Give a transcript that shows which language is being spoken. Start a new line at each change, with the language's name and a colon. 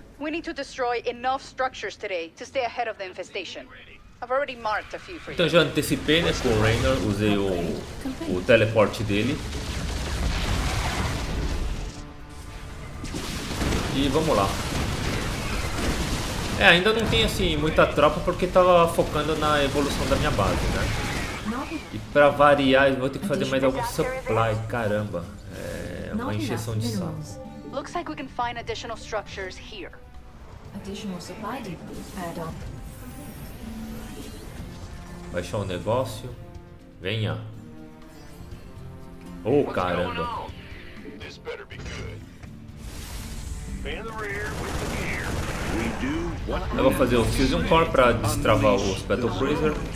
English: We need to destroy enough structures today to stay ahead of the infestation. I've already marked a few for you.
Portuguese: Então já antecipei, né, com o Rainer, usei o teleporte dele. E vamos lá. É, ainda não tem assim muita tropa porque tava focando na evolução da minha base, né? E para variar, eu vou ter que fazer mais algum supply, caramba. É uma encheção de saco.
English: Looks like we can find additional structures here. Additional supply depots.
Portuguese: Baixar o negócio. Venha. Oh, caramba.
English: This better be good. Man the rear with the gear. We do what we need.
Portuguese: Eu vou fazer o fusion core para destravar os battle cruiser.